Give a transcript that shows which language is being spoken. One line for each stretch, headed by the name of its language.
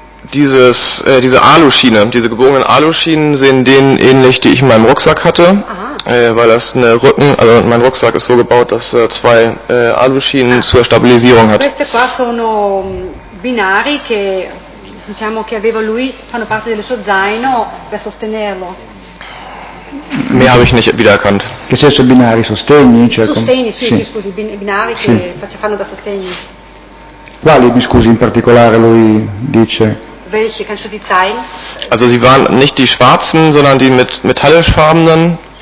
German: Diese Aluschiene, diese gebogenen Aluschienen sehen denen ähnlich, die ich in meinem Rucksack hatte, weil das eine Rücken, also mein Rucksack ist so gebaut, dass er zwei Aluschienen zur Stabilisierung hat.
Italian: Queste qua sono binari che diciamo che aveva lui, fanno parte del suo zaino per sostenerlo.
German: Mehr habe ich nicht wiedererkannt.
Italian: Che senso binari, sostegni? Cioè, sostegni, sì, sì, scusi, binari sì. Che fanno da sostegni. Quali, mi scusi, in particolare lui dice?
German: Welche, kannst du die zeigen? Also sie waren nicht die schwarzen, sondern die mit metallischfarbenen.